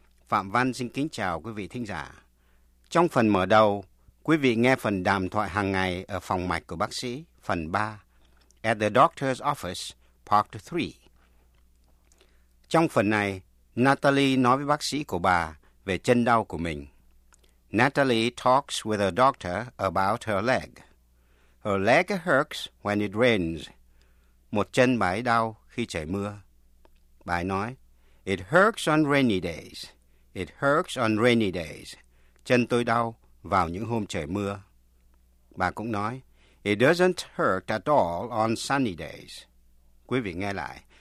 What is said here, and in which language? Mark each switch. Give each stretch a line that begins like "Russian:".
Vietnamese: Phạm Văn xin kính chào quý vị thính giả. Trong phần mở đầu, quý vị nghe phần đàm thoại hàng ngày ở phòng mạch của bác sĩ, phần 3, At the Doctor's Office, Part 3. Trong phần này, Natalie nói với bác sĩ của bà về chân đau của mình.
English: Natalie talks with her doctor about her leg. Her leg hurts when it rains.
Vietnamese: Một chân bà ấy đau khi trời mưa. Bà ấy nói,
English: It hurts on rainy days. It hurts on rainy days.
Vietnamese: Chân tôi đau vào những hôm trời mưa. Bà cũng nói,
English: It doesn't hurt at all on sunny days.
Vietnamese: Quý vị nghe lại.